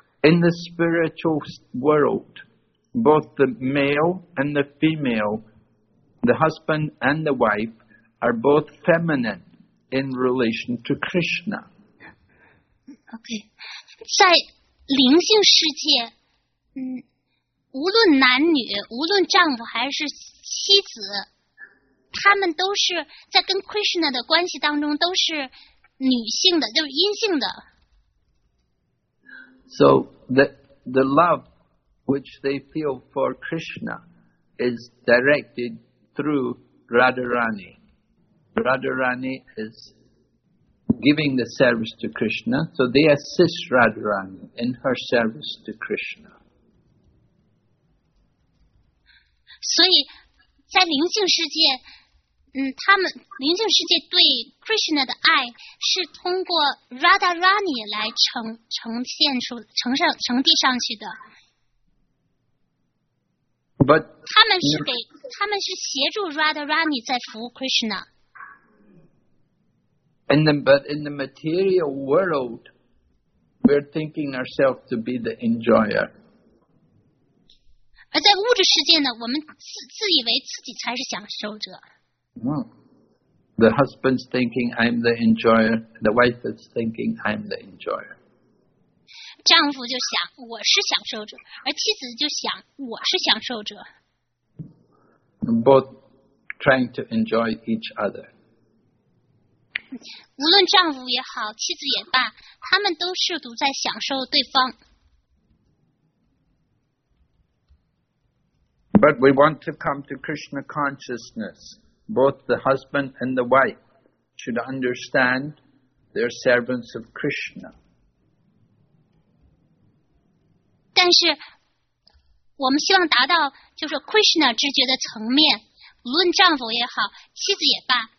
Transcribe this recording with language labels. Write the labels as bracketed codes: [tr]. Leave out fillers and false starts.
[en] In the spiritual world, both the male and the female, the husband and the wife, are both feminine. In relation to Krishna. Okay. [zh] 在灵性世界，无论男女，无论丈夫还是妻子，他们都是在跟 Krishna 的关系当中都是女性的，就是阴性的。 [en] So the love which they feel for Krishna is directed through Radharani. Radharani is... giving the service to Krishna, so they assist Radharani in her service to Krishna. [zh] 所以在灵性世界，他们灵性世界对 Krishna 的爱是通过 Radharani 来呈现出去的。 [en] But [zh] 他们是协助 Radharani 在服务 Krishna。 [en] But in the material world, we're thinking ourselves to be the enjoyer. [zh] 而在物质世界呢，我们自以为自己才是享受者。 [en] The husband's thinking I'm the enjoyer. The wife is thinking I'm the enjoyer. [zh] 丈夫就想我是享受者，而妻子就想我是享受者。 [en] Both trying to enjoy each other. [zh] 无论丈夫也好，妻子也罢，他们都试图在享受对方。 [en] But we want to come to Krishna consciousness. Both the husband and the wife should understand they're servants of Krishna. [zh] 但是，我们希望达到就是 Krishna 知觉的层面，无论丈夫也好，妻子也罢。